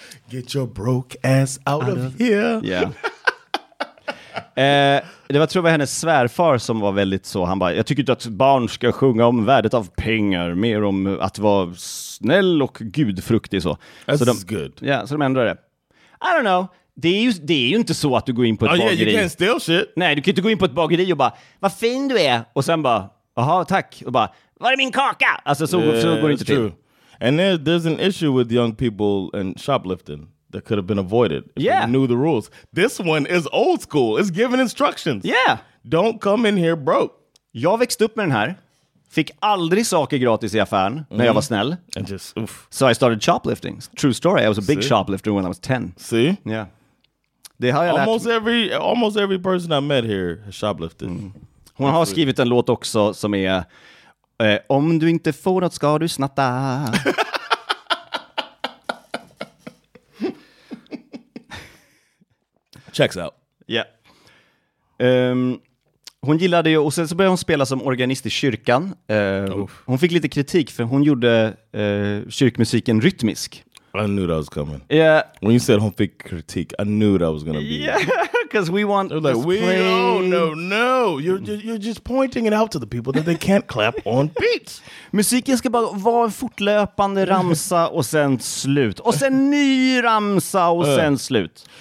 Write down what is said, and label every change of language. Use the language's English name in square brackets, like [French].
[English] Get your broke ass out of here. Yeah. [Swedish] Det var, tror jag, hennes svärfar som var väldigt så. Han bara, [English] jag tycker inte att barn ska sjunga om värdet av pengar. [Swedish] Mer om att vara snäll och gudfruktig. Så. [English] That's [Swedish] så [English] good. [Swedish] Ja, yeah, så de ändrade det. [English] I don't know. [Swedish] Det är ju inte så att du går in på ett bageri. [English] Yeah, you can't steal shit. [Swedish] Nej, du kan inte gå in på ett bageri och bara, vad fin du är. Och sen bara, aha, tack. Och bara, var är min kaka? Alltså så, yeah, så går det inte true. Till. [English] And there's an issue with young people and shoplifting that could have been avoided if they knew the rules. This one is old school. It's giving instructions. Yeah. Don't come in here broke. [Swedish] Jag växte upp med den här. Fick aldrig saker gratis i affären när jag var snäll. [English] And just, oof. So I started shoplifting. True story. I was a big shoplifter when I was 10. See? Yeah. [Swedish] Det har jag almost lärt mig. [English] Almost every person I met here has shoplifted. Mm. [Swedish] Hon har skrivit en låt också som är... om du inte får något ska du snatta. [English] Checks out. Yeah. [Swedish] Hon gillade ju, och sen så började hon spela som organist i kyrkan. Hon fick lite kritik för hon gjorde kyrkmusiken rytmisk. [English] I knew that was coming. Yeah. When you said [Swedish] hon fick kritik, [English] I knew that was gonna be. Yeah. Because we want to like, play. No. You're just pointing it out to the people that they can't clap on beats. [Swedish] Musiken ska bara vara en fortlöpande ramsa och sen slut. Och sen ny ramsa och sen slut.